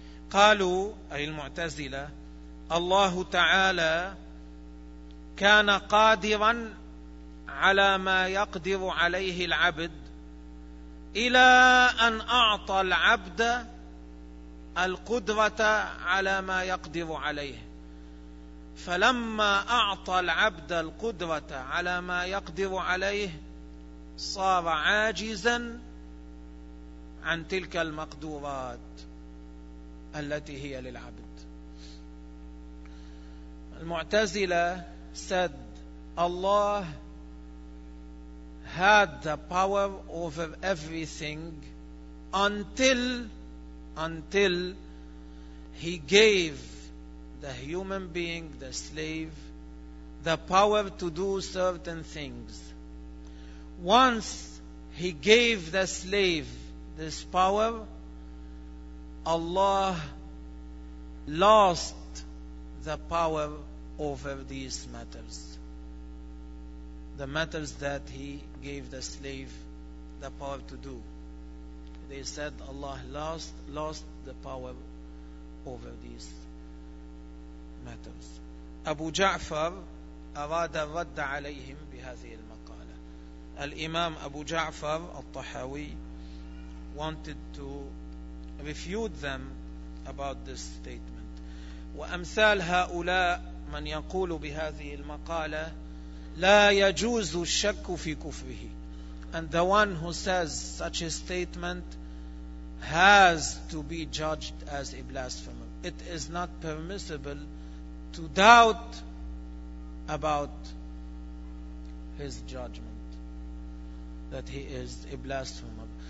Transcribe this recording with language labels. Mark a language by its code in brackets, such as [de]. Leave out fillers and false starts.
[ar] قالوا أي المعتزلة الله تعالى كان قادرا على ما يقدر عليه العبد إلى أن أعطى العبد القدرة على ما يقدر عليه. فلما أعطى العبد القدرة على ما يقدر عليه صار عاجزا عن تلك المقدورات التي هي للعبد. [en] المعتزلة said Allah had the power over everything until he gave the human being, the slave, the power to do certain things. Once he gave the slave this power, Allah lost the power over these matters, the matters that he gave the slave the power to do. They said Allah lost the power over these matters. [ar] Abu Ja'far arada radda alayhim bihazi al-maqala. [en] Al-Imam Abu Ja'far al-Tahawi wanted to refute them about this statement. [ar] وأمثال هؤلاء من يقول بهذه المقالة لا يجوز الشك في كفره. [en] And the one who says such a statement has to be judged as a blasphemer. It is not permissible to doubt about his judgment that he is a blasphemer.